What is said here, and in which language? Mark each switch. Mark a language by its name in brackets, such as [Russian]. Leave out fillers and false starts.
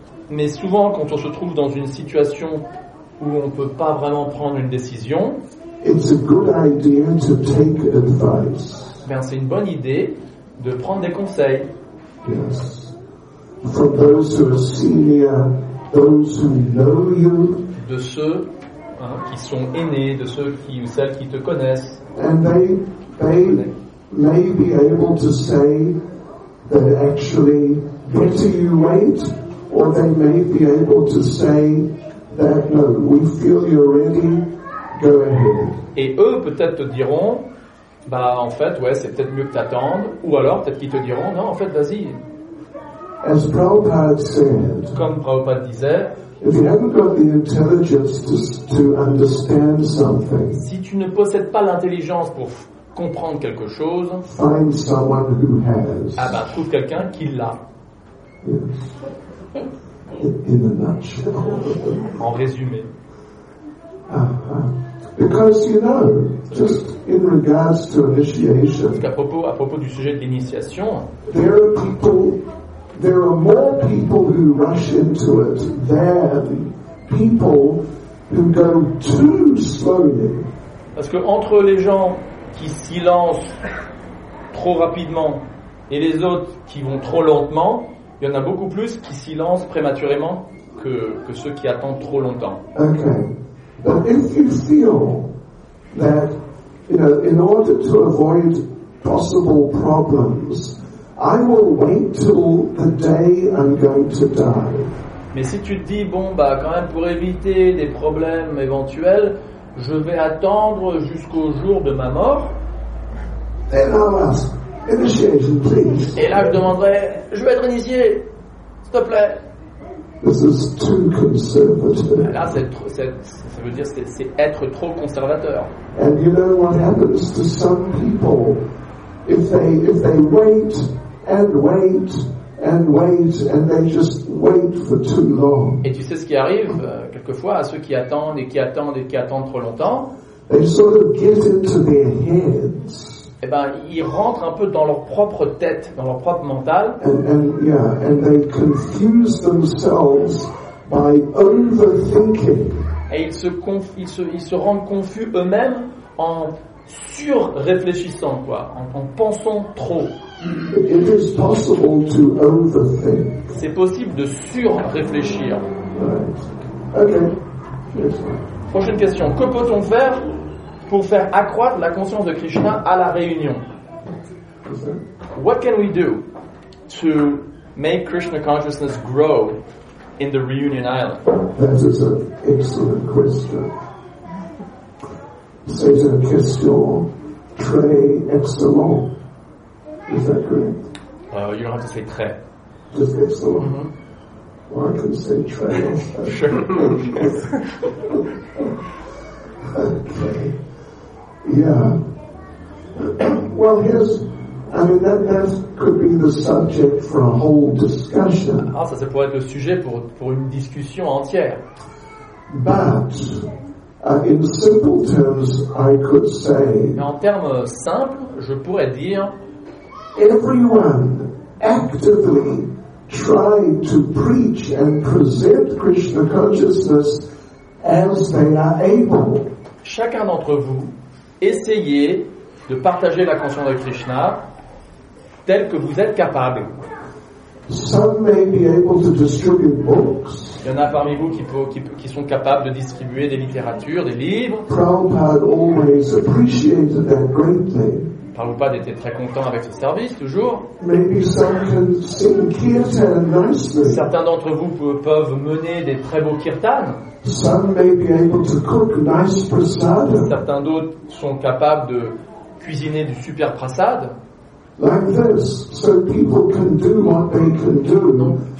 [French] Mais souvent quand on se trouve dans une situation où on ne peut pas vraiment prendre une décision, [English] it's a good idea to take advice. [French] Ben, c'est une bonne idée de prendre des conseils. [English] Yes. From those who are senior, those who know you. [French] De ceux qui sont aînés, de ceux qui ou celles qui te connaissent. [English] And they may be able to say that actually better you wait, or they may be able to say that no, we feel you're ready, go ahead. [French] Et eux peut-être te diront, bah en fait ouais c'est peut-être mieux que t'attendre, ou alors peut-être qu'ils te diront non en fait vas-y. [English] As Prabhupada said. [French] Comme Prabhupada disait. [English] If you haven't got the intelligence to understand something, [French] si tu ne possèdes pas l'intelligence pour comprendre quelque chose, [English] find someone who has. [French] Ah ben, trouve quelqu'un qui l'a. [English] Yes. In a nutshell. [French] En résumé. Uh-huh. [English] Because you know, just in regards to initiation, [French] à propos du sujet d'initiation, [English] there are more people who rush into it than people who go too slowly. [French] Parce que entre les gens qui s'y lancent trop rapidement et les autres qui vont trop lentement, il y en a beaucoup plus qui s'y lancent prématurément que ceux qui attendent trop longtemps. [English] Okay. But if you feel that, you know, in order to avoid possible problems, I will wait till the day I'm going to die. [French] Mais si tu te dis, bon, bah, quand même, pour éviter des problèmes éventuels, je vais attendre jusqu'au jour de ma mort. [English] Then I'll ask, initiation, please. [French] Et là, je demanderai, je vais être initié, s'il te plaît. [English] This is too conservative. [French] Là, ça veut dire c'est être trop conservateur. [English] And you know what happens to some people if they wait and wait and wait and they just wait for too long. [French] Et tu sais ce qui arrive quelquefois à ceux qui attendent et qui attendent et qui attendent trop longtemps? [English] They sort of get into their heads. [French] Eh ben, ils rentrent un peu dans leur propre tête, dans leur propre mental. [English] And they confuse themselves by overthinking. [French] Et ils se rendent confus eux-mêmes en sur-réfléchissant, quoi, en pensant trop. [English] It is possible to overthink. [French] C'est possible de sur-réfléchir. [English] Right. Okay. Yes. [French] Prochaine question. Que peut-on faire pour faire accroître la conscience de Krishna à la réunion? [English] What can we do to make Krishna consciousness grow in the reunion island? That is an excellent question. [French] C'est une question très excellente. [English] Is that correct? You don't have to say très. Just excellent. Mm-hmm. Or I can say très. Sure. Okay. Yeah. Well, that could be the subject for a whole discussion. [French] Ah, ça pourrait être le sujet pour une discussion entière. [English] But in simple terms, I could say. [French] Mais en termes simples, je pourrais dire. [English] Everyone actively tried to preach and present Krishna consciousness as they are able. [French] Chacun d'entre vous. Essayez de partager la conscience de Krishna telle que vous êtes capable. [English] Some may be able to distribute books. [French] Il y en a parmi vous qui sont capables de distribuer des littératures, des livres. [English] Prabhupada always appreciated that greatly. [French] Prabhupada était très content avec ce service, toujours. [English] Maybe some can sing kirtan nicely. [French] Certains d'entre vous peuvent mener des très beaux kirtans. [English] Some may be able to cook nice prasad. [French] Certains d'autres sont capables de cuisiner du super prasad. [English] Like this, so people can do what they can do.